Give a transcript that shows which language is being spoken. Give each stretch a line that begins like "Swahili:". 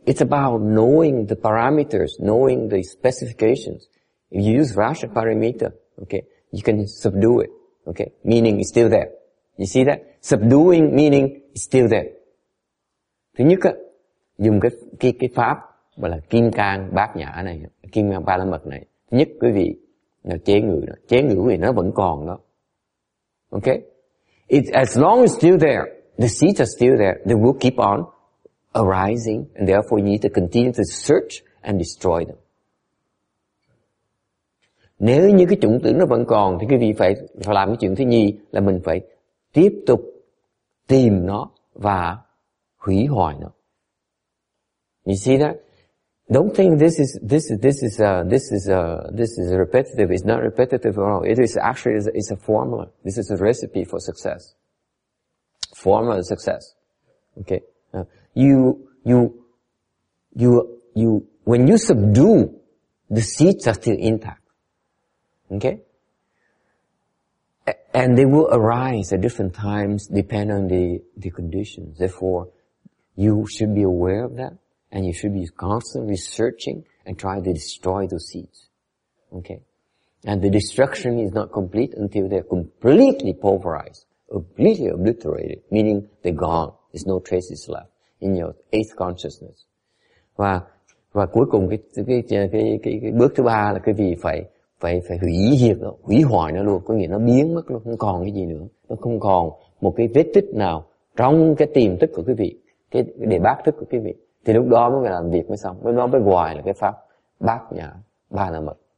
English: It's about knowing the parameters, knowing the specifications. If you use Varja Paramita, okay, you can subdue it, okay, meaning it's still there. You see that? Subduing meaning it's still there.
Vietnamese: Thứ nhất, dùng cái pháp gọi là kim cang bát nhã này, kim cang ba la mật này. Thứ nhất, quý vị, là chế ngự. Chế ngự thì nó vẫn còn đó. Okay?
English: As long as it's still there, the seeds are still there, they will keep on arising, and therefore you need to continue to search and destroy them.
Vietnamese: Nếu như cái chủng tử nó vẫn còn, thì quý vị phải làm cái chuyện thứ nhì là mình phải tiếp tục tìm nó và hủy hoại nó.
English: You see that? Don't think this is repetitive. It's not repetitive at all. It's a formula. This is a recipe for success. Formula of success. Okay? You, when you subdue, the seeds are still intact. Okay? And they will arise at different times depending on the conditions. Therefore, you should be aware of that and you should be constantly searching and trying to destroy those seeds. Okay? And the destruction is not complete until they're completely pulverized, completely obliterated, meaning they're gone. There's no traces left in your eighth consciousness.
Vietnamese: Và cuối cùng cái bước thứ ba là quý vị phải hủy diệt nó, hủy hoại nó luôn, có nghĩa nó biến mất luôn, không còn cái gì nữa. Nó không còn một cái vết tích nào trong cái tiềm thức của quý vị, cái đề bát thức của quý vị, thì lúc đó mới làm việc mới xong, mới nói với hoài là cái pháp bát nhã ba la mật.